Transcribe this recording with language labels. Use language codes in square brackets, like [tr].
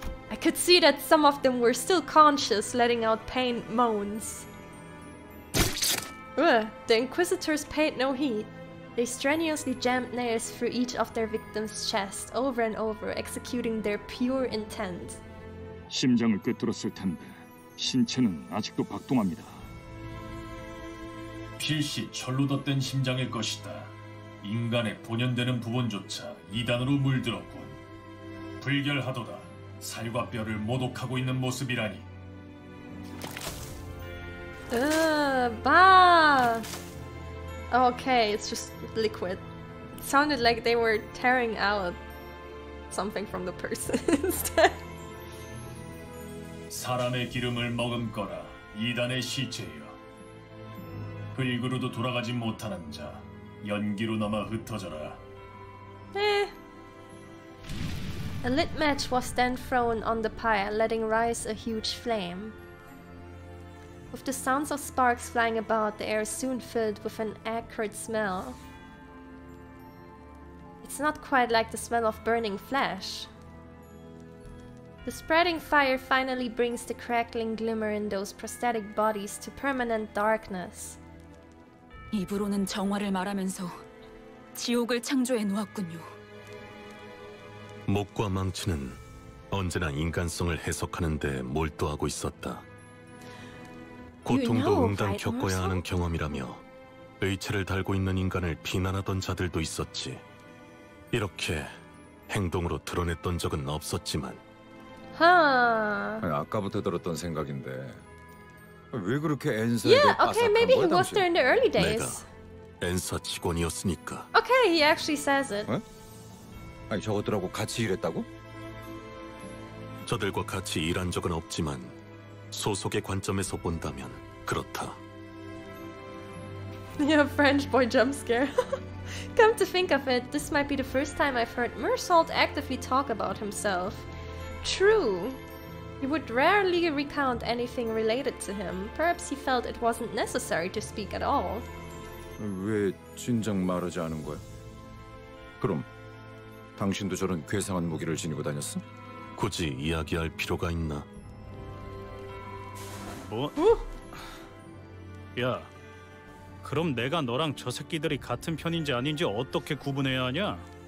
[en] I could see that some of them were still conscious, letting out pain moans. Ugh, the Inquisitors paid no heed. They strenuously jammed nails through each of their victims' chest, over and over, executing their pure intent. [ko] 심장을 꿰뚫었을 텐데, 신체는 아직도 박동합니다. 필시 철로 덧댄 심장일 것이다. 인간의 본연되는 부분조차 이단으로 물들었군. 불결하도다. 살과 뼈를 모독하고 있는 모습이라니. 봐! [en] Okay, it's just liquid. It sounded like they were tearing out something from the person instead. [ko] 사람의 기름을 먹은 거라 이단의 시체여. 흙으로도 돌아가지 못하는 자, 연기로 남아 흩어져라. [en] A lit match was then thrown on the pyre, letting rise a huge flame. With the sounds of sparks flying about, the air soon filled with an acrid smell. It's not quite like the smell of burning flesh. The spreading fire finally brings the crackling glimmer in those prosthetic bodies to permanent darkness. [ko] 입으로는 정화를 말하면서 지옥을 창조해 놓았군요. 목과 망치는 언제나 인간성을 해석하는 데 몰두하고 있었다. 고통도 응당 겪어야 하는 경험이라며 의체를 달고 있는 인간을 비난하던 자들도 있었지. 이렇게 행동으로 드러냈던 적은 없었지만. 하. 아니, 아까부터 들었던 생각인데 왜 그렇게 엔서에 [en] yeah, [ko] 빠삭한 [en] okay, maybe [ko] 거야 당신? [en] He was there in the early days. [ko] 내가 엔서 직원이었으니까. [en] Okay, he actually says it. [ko] 에? 아니 저것들하고 같이 일했다고? 저들과 같이 일한 적은 없지만 소속의 관점에서 본다면 그렇다. [en] Yeah, French boy jump scare. Come to think of it, this might be the first time I've heard Mersault actively talk about himself. True. He would rarely recount anything related to him. Perhaps he felt it wasn't necessary to speak at all. [ko] 왜 진작 말하지 않은 거야? 그럼 당신도 저런 괴상한 무기를 지니고 다녔어? 굳이 이야기할 필요가 있나? 뭐? 야, 그럼 내가 너랑 저 새끼들이 같은 편인지 아닌지 어떻게 구분해야 하냐?